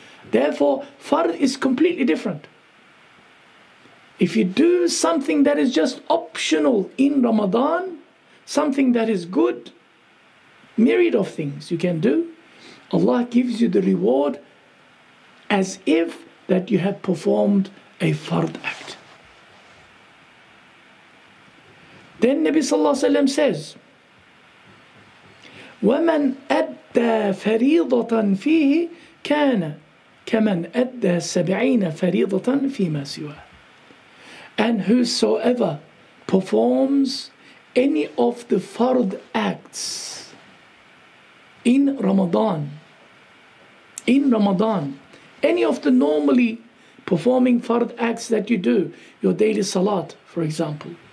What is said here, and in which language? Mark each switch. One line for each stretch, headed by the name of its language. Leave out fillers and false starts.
English: Therefore, fard is completely different. If you do something that is just optional in Ramadan, something that is good, myriad of things you can do, Allah gives you the reward as if that you have performed a fard act. Then Nabi sallallahu alayhi wa sallam says,
Arabic: وَمَنْ أَدَّى فَرِيضَةً فِيهِ كَانَ كَمَنْ أَدَّى سَبْعِينَ فَرِيضَةً فِي مَا سِوَى.
English: And whosoever performs any of the fard acts in Ramadan, any of the normally performing fard acts that you do, your daily salat, for example.